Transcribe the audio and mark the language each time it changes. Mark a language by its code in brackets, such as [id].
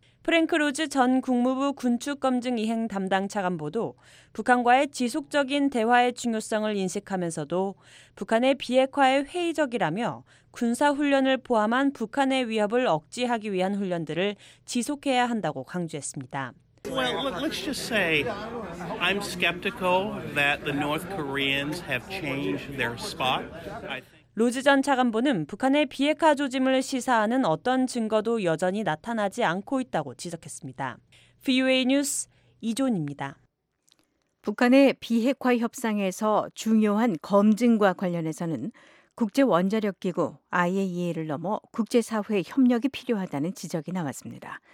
[ko] 프랭크 로즈 전 국무부 군축검증이행 담당 차관 보도 북한과의 지속적인 대화의 중요성을 인식하면서도 북한의 비핵화에 회의적이라며 군사훈련을 포함한 북한의 위협을 억제하기 위한 훈련들을 지속해야 한다고 강조했습니다. [en] Well, let's just say I'm skeptical that the North Koreans have changed their spot. [ko] 로즈 전 차관보는 북한의 비핵화 조짐을 시사하는 어떤 증거도 여전히 나타나지 않고 있다고 지적했습니다. VOA 뉴스 이존입니다. 북한의 비핵화 협상에서 중요한 검증과 관련해서는 국제원자력기구 IAEA를 넘어 국제사회의 협력이 필요하다는 지적이 나왔습니다.